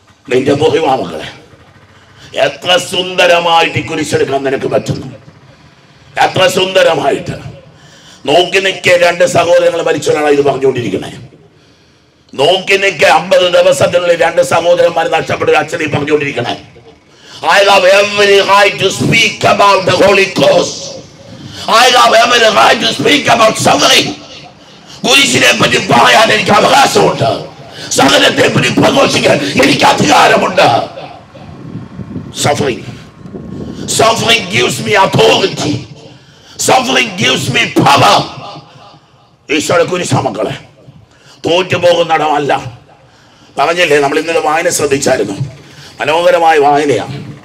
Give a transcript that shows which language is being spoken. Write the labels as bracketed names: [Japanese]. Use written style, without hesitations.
[Malayalam] നിന്റെ ബഹുമാമകളെ, എത്ര സുന്ദരമായിട്ട് ഈ കുരിശെടുക്കാൻ നിനക്ക് പറ്റുന്നു, എത്ര സുന്ദരമായിട്ട്. നോക്കി നിൽക്കേ, രണ്ട് സഹോദരങ്ങൾ മരിച്ചവരാണ് ഇത് പറഞ്ഞുകൊണ്ടിരിക്കണേ. നോക്കി നിൽക്കേ, 50 ദിവസത്തിനുള്ളിൽ രണ്ട് സഹോദരന്മാർ നഷ്ടപ്പെടുക, അച്ഛനെ പറഞ്ഞുകൊണ്ടിരിക്കണേ. [English] I love every right to speak about the Holy Ghost. I love every right to speak about suffering. [Malayalam] കുരിശിനെ പറ്റി പറയാൻ എനിക്ക് അവകാശമുണ്ട്. സഹനത്തെ പറ്റി പ്രഘോഷിക്കാൻ എനിക്ക് അധികാരമുണ്ട്. [English] Suffering gives me authority. Suffering gives me power. [Malayalam] ഈശോയുടെ കുരിശ് മക്കളെ, തോറ്റു പോകുന്ന ഇടമല്ല. പറഞ്ഞില്ലേ, നമ്മൾ ഇന്നലെ വായന ശ്രദ്ധിച്ചായിരുന്നു, മനോഹരമായ വായനയാണ്.